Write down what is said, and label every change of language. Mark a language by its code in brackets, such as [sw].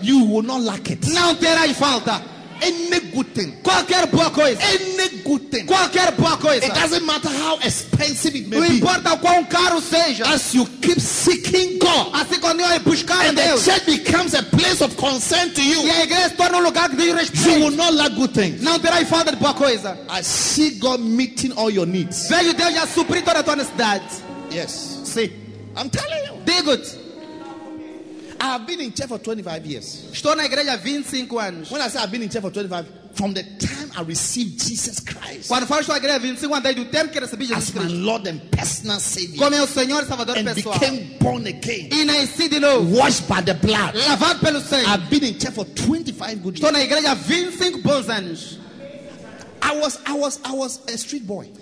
[en] You will not lack it. [pt] Não terá falta. [en] Any good thing. [pt] Qualquer boa coisa. [en] Any good thing. [pt] Qualquer boa coisa. [en] It doesn't matter how expensive it may be. [pt] Não importa quão caro seja. [en] As you keep seeking God. [pt] Assim continua a buscar a Deus. [en] And the church becomes a place of concern to you. [pt] E a igreja se torna um lugar de respeito. [en] You will not lack good things. [pt] Não terá falta de boa coisa. [en] I see God meeting all your needs. [pt] Vejo Deus já suprir toda a tua necessidade. [en] Yes. See. I'm telling you. [pt] Digo. [en] I have been in church for 25 years. [pt] Estou na igreja há 25 anos. [en] When I say I've been in church for 25, from the time I received Jesus Christ. [pt] Quando falo estou na igreja há 25 anos, desde o tempo que recebi Jesus Cristo. [en] As my Lord and personal Savior. [pt] Como é o Senhor Salvador [en] and [pt] pessoal. [en] And became born again. [pt] E nasci de novo. [en] Washed by the blood. [pt] Lavado pelo sangue. [en] I've been in church for 25 good years. [pt] Estou na igreja há 25 bons anos. [en] I was a street boy.